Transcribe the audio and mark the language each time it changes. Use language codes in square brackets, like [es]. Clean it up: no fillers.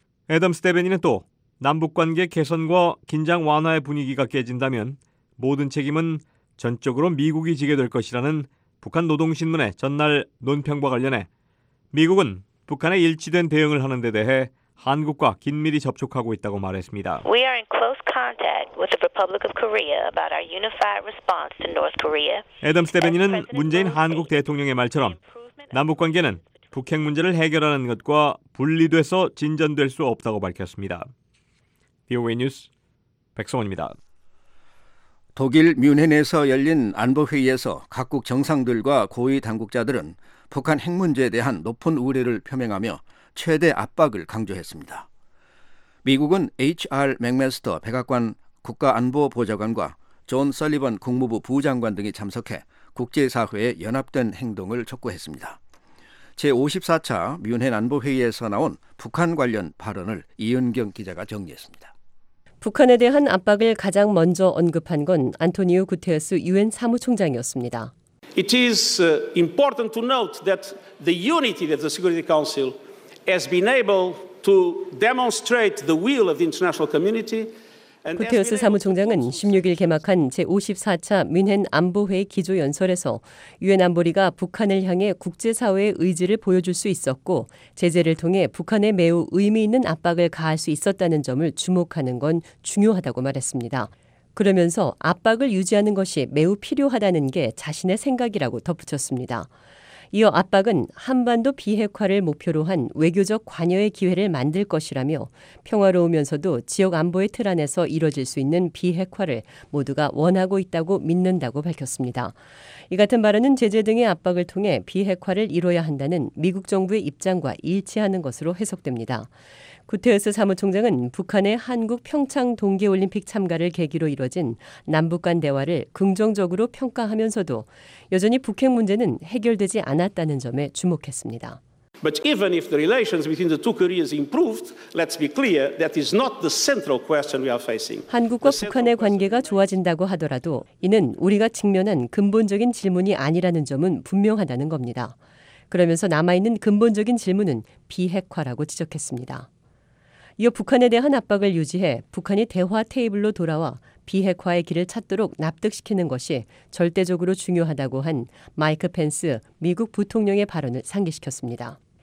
[ko] 애덤스 대변인은 또 남북관계 개선과 긴장 완화의 분위기가 깨진다면 모든 책임은 전적으로 미국이 지게 될 것이라는 북한 노동신문의 전날 논평과 관련해 미국은 북한의 일치된 대응을 하는 데 대해 한국과 긴밀히 접촉하고 있다고 말했습니다. [en] We are in close contact with the Republic of Korea about our unified response to North Korea. [ko] 애덤스 대변인은 문재인 한국 대통령의 말처럼 남북관계는 북핵 문제를 해결하는 것과 분리돼서 진전될 수 없다고 밝혔습니다. BOA 뉴스 백성원입니다. 독일 뮌헨에서 열린 안보회의에서 각국 정상들과 고위 당국자들은 북한 핵 문제에 대한 높은 우려를 표명하며 최대 압박을 강조했습니다. 미국은 HR 맥메스터 백악관 국가안보보좌관과 존 설리번 국무부 부장관 등이 참석해 국제사회의 연합된 행동을 촉구했습니다. 제54차 뮌헨 안보회의에서 나온 북한 관련 발언을 이은경 기자가 정리했습니다. 북한에 대한 압박을 가장 먼저 언급한 건 안토니오 구테스 유엔 사무총장이었습니다. [en] It is important to note that the unity of the Security Council has been able to demonstrate the will of the international community. [ko] 구테스 사무총장은 16일 개막한 제54차 뮌헨 안보회의 기조연설에서 유엔 안보리가 북한을 향해 국제사회의 의지를 보여줄 수 있었고 제재를 통해 북한에 매우 의미 있는 압박을 가할 수 있었다는 점을 주목하는 건 중요하다고 말했습니다. 그러면서 압박을 유지하는 것이 매우 필요하다는 게 자신의 생각이라고 덧붙였습니다. 이어 압박은 한반도 비핵화를 목표로 한 외교적 관여의 기회를 만들 것이라며 평화로우면서도 지역 안보의 틀 안에서 이뤄질 수 있는 비핵화를 모두가 원하고 있다고 믿는다고 밝혔습니다. 이 같은 발언은 제재 등의 압박을 통해 비핵화를 이뤄야 한다는 미국 정부의 입장과 일치하는 것으로 해석됩니다. 구테스 사무총장은 북한의 한국 평창 동계올림픽 참가를 계기로 이뤄진 남북 간 대화를 긍정적으로 평가하면서도 여전히 북핵 문제는 해결되지 않았다는 점에 주목했습니다. [en] But even if the relations between the two Koreas improved, let's be clear that is not the central question we are facing. [ko] 한국과 북한의 관계가 좋아진다고 하더라도 이는 우리가 직면한 근본적인 질문이 아니라는 점은 분명하다는 겁니다. 그러면서 남아있는 근본적인 질문은 비핵화라고 지적했습니다. 이어 북한에 대한 압박을 유지해 북한이 대화 테이블로 돌아와 비핵화의 길을 찾도록 납득시키는 것이 절대적으로 중요하다고 한 마이크 펜스 미국 부통령의 발언을 상기시켰습니다.